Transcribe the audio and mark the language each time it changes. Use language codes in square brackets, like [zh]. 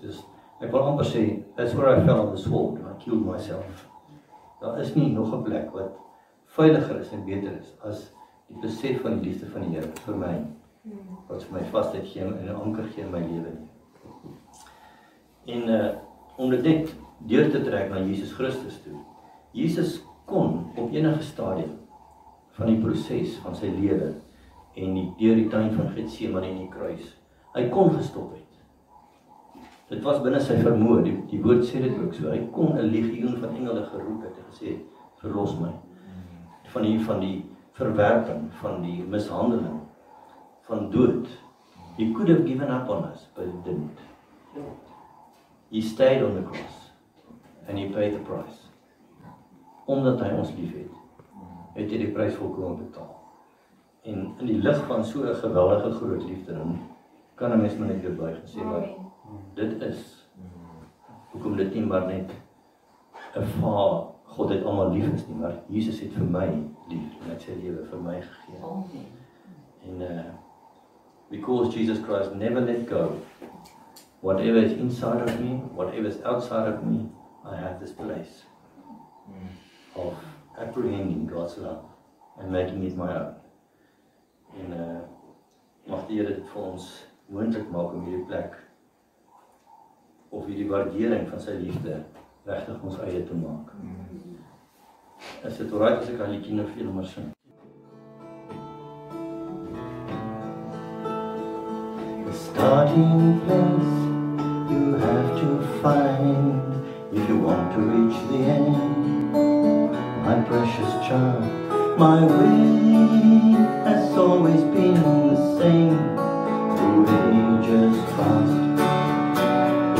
[af] Dus ek wil amper sê, [en] that's where I fell on the sword, and I killed myself. [af] Daar is nie nog 'n plek wat veiliger is en beter is as die besef van die liefde van die Here vir my, wat vir my vastheid gee en 'n anker gee in my lewe. En om dit net deur te trek na Jesus Christus toe. Jesus kon op enige stadium van die proses van sy lewe en die deur die tuin van Getsemane en die kruis, hy kon gestop het. Dit was binne sy vermoë, die woord sê dit ook so. Hy kon 'n legioen van engele geroep het en gesê, verlos my. Van die verwerping, van die mishandeling, van dood. [en] He could have given up on us, but he didn't. He stayed on the cross and he paid the price. [af] Omdat hy ons lief het hy die prys volkome betaal. En in die lig van so 'n geweldige groot liefde, dan kan 'n mens maar net weer buig en sê, maar dit is hoekom dit nie maar net 'n vaar God het almal lief is nie, maar Jesus het vir my lief en het sy lewe vir my gegee. En [en] because Jesus Christ never let go, whatever is inside of me, whatever is outside of me, I have this place of apprehending God's love and making it my own. [af] En mag die Here dit vir ons moontlik maak om hierdie plek of hierdie waardering van sy liefde regtig ons eie te maak. Is dit alright as ek aan die kinders vir hulle maar sing? [en] Starting place you have to find if you want to reach the end. My precious child, my way has always been the same through ages past.